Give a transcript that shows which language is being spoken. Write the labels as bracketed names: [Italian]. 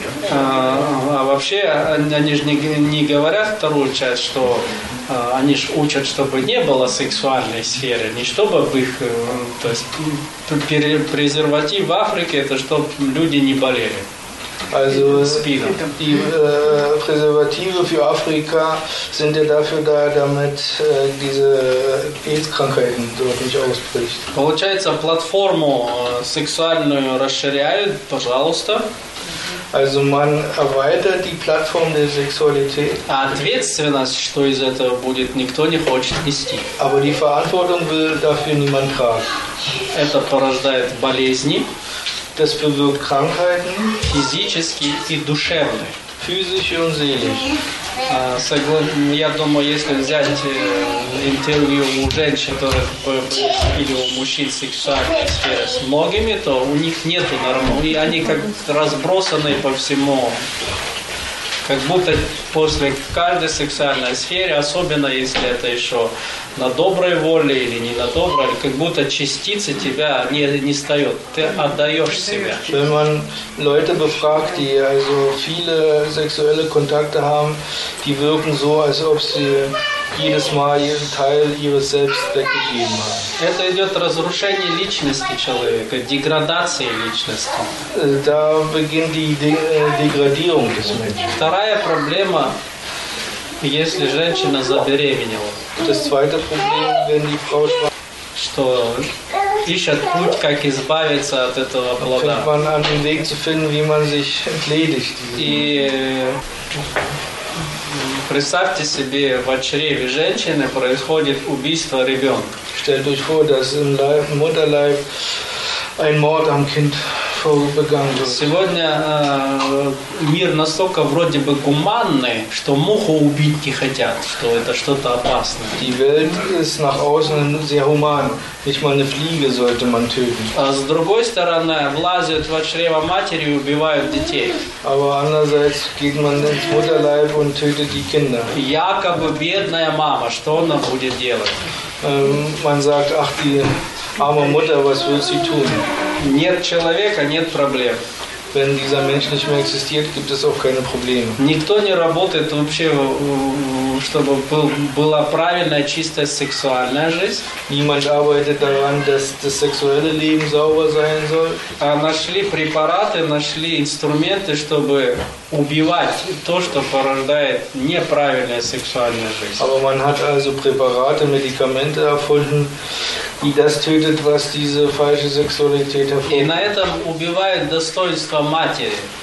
[Russian] А вообще они же не говорят вторую часть, что они же учат, чтобы не было сексуальной сферы, не чтобы их, то есть презерватив в Африке, это чтобы люди не болели. [German] Also die Präservative für Afrika sind ja dafür da, damit diese AIDS-Krankheiten dort nicht ausbricht. [Russian] Получается, платформу сексуальную расширяют, пожалуйста. [German] Also man erweitert die Plattform der Sexualität. [Russian] А ответственность, что из этого будет, никто не хочет нести. [German] Aber die Verantwortung will dafür niemand tragen. [Russian] Это порождает болезни. [German] Das bewirkt Krankheiten, [Russian] физически и душевные. [German] Physische und seelisch. [Russian] Я думаю, если взять интервью у женщин, которые или у мужчин сексуальной сферы с многими, то у них нету нормы. И они как разбросаны по всему. Как будто после каждой сексуальной сферы, особенно если это еще на доброй воле или не на доброй, как будто частицы тебя не встает, ты отдаешь себя. [German] Wenn man Leute befragt, die also viele sexuelle Kontakte haben, die wirken so, als ob sie jedes Mal jeden Teil ihres Selbst weggegeben haben. [Russian] Это идет разрушение личности человека, деградация личности. [German] Da beginnt die Degradierung des Menschen. [Russian] Вторая проблема, если женщина забеременела. [German] Das zweite Problem, wenn die Frau schwanger ist. [Russian] Что ищет путь, как избавиться от этого плода. [German] Fängt man an, den Weg zu finden, wie man sich entledigt. [Russian] И представьте себе, в чреве женщины происходит убийство ребенка. [German] Stellt euch vor, dass im Mutterleib ein Mord am Kind begangen wird. [Russian] Сегодня мир настолько вроде бы гуманный, что муху убить не хотят, что это что-то опасное. [German] Die Welt ist nach außen sehr human. Nicht mal eine Fliege sollte man töten. [Russian] А с другой стороны, влазят в чрево матери и убивают детей. [German] Aber andererseits geht man ins Mutterleib und tötet die Kinder. [Russian] Якобы бедная мама, что она будет делать? [German] Man sagt, ach, die arme Mutter, was wird sie tun? [Russian] Нет человека, нет проблем. [German] Wenn dieser Mensch nicht mehr existiert, gibt es auch keine Probleme. [Russian] Никто не работает вообще, чтобы была правильная, чистая сексуальная жизнь. [German] Niemand arbeitet daran, dass das sexuelle Leben sauber sein soll. [Russian] А нашли препараты, нашли инструменты, чтобы убивать то, что порождает неправильная сексуальная жизнь. [German] Aber man hat also Präparate, Medikamente erfunden, die das tötet, was diese falsche Sexualität hervorruft. [Russian] И на этом убивает достоинство матери.